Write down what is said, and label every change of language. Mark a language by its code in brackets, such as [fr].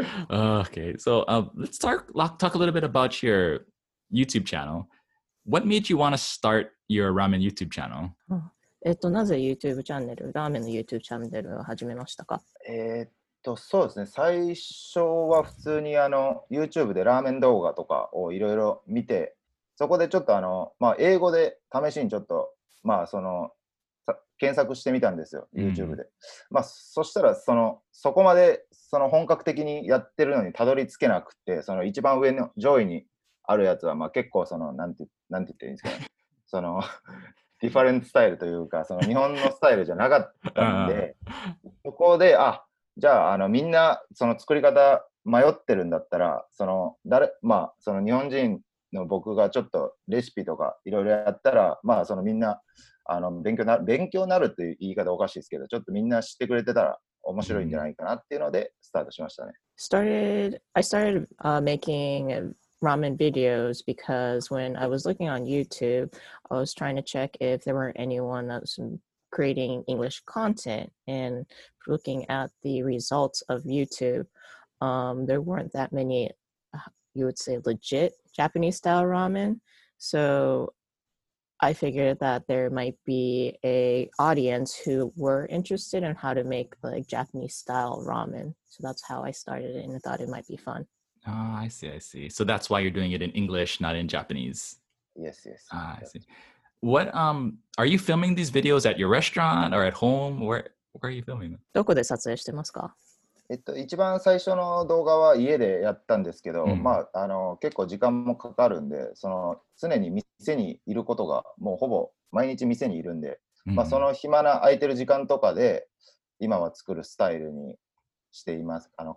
[en] Okay, so let's talk a little bit about your YouTube channel. What made you want to start your ramen YouTube channel? [ja] なぜ YouTube チャンネル、ラーメンの YouTube チャンネルを始めましたか？そうですね。最初は普通にあの YouTube でラーメン動画とかをいろいろ見て、そこでちょっとあの、まあ、英語で試しにちょっと、まあその、検索してみたんですよ、YouTube で。まあ、そしたら、そこまで、その本格的にやってるのにたどり着けなくて、その一番上の上位にあるやつは、まあ結構その、なんて言っていいんですかね。その、ディファレントスタイルというか、その日本のスタイルじゃなかったんで、そこで、あ、じゃあ、あの、みんな、その作り方迷ってるんだったら、その、まあ、その日本人の僕がちょっとレシピとかいろいろやったら、まあ、そのみんな、あの勉強になるという言い方おかしいですけど、ちょっとみんな知ってくれてたら面白いんじゃないかなっていうのでスタートしましたね。 [en] I started making ramen videos because when I was looking on YouTube, I was trying to check if there were anyone that was creating English content, and looking at the results of YouTube, there weren't that many, you would say, legit Japanese style ramen. So I figured that there might be a audience who were interested in how to make like Japanese style ramen. So that's how I started it, and I thought it might be fun. Oh, I see, I see. So that's why you're doing it in English, not in Japanese. Yes, yes. Ah, I see. What are you filming these videos at your restaurant or at home? Where are you filming them? [ja] どこで撮影してますか？一番最初の動画は家でやったんですけど、mm. まあ、結構時間もかかるんで、その常に店にいることがもうほぼ毎日店にいるんで、mm. まあ、その暇な空いてる時間とかで今は作るスタイルにしています。